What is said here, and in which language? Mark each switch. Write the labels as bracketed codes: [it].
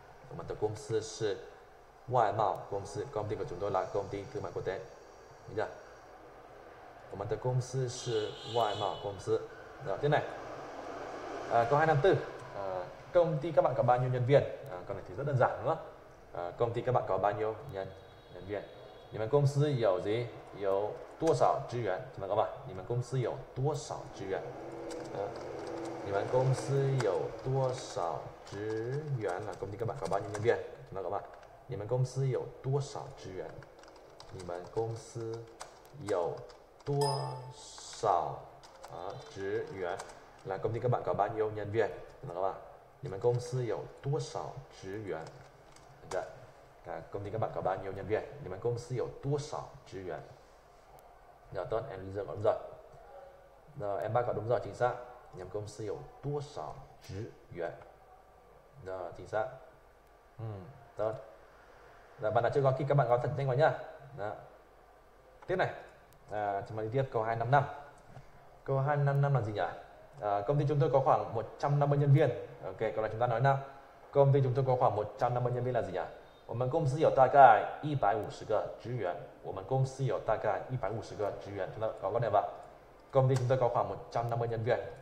[zh] 我们的公司是外贸公司, [vi] công ty của chúng tôi là công ty thương mại quốc tế. Được chưa? [zh] 我们的公司是外贸公司. [vi] Rồi, tiếp này. Câu 254. Công ty các bạn có bao nhiêu nhân viên? Câu này thì rất đơn giản đúng không? Công ty các bạn có bao nhiêu nhân viên? [zh] 你们公司有几?Yǒu duòshǎo zhìyuán? [vi] Chúng ta có bạn. [zh] 你们公司有 duòshǎo zhìyuán? 你们公司有 duòshǎo zhìyuán? [vi] Công ty các bạn có bao nhiêu nhân viên? Chúng ta có bạn. [zh] 你们公司有 duòshǎo zhìyuán? 你们公司有 duòshǎo zhìyuán? [vi] Công ty các bạn có bao nhiêu nhân viên? Chúng ta có bạn. [zh] 你们公司有 duòshǎo zhìyuán? [vi] Công ty các bạn có bao nhiêu nhân viên? [zh] 你们公司有多少职员? [vi] Rồi, tốt, em Lisa gọi đúng rồi. Rồi, em bác gọi đúng rồi, chính xác. [zh] 你们公司有多少职员? [vi] Rồi, chính xác. Tốt. Rồi, bạn nào chưa có kịp, các bạn gọi thật nhanh vào nhá. Tiếp này, chúng ta đi tiếp câu 255. Câu 255 là gì nhỉ? Công ty chúng tôi có khoảng 150 nhân viên. Ok, câu này chúng ta nói nào. Công ty chúng tôi có khoảng 150 nhân viên là gì nhỉ? [zh] 我们公司有大概150个职员. 我们公司有大概150个职员. [vi] Chúng ta có nghe không? Công ty chúng tôi có khoảng 150 nhân viên.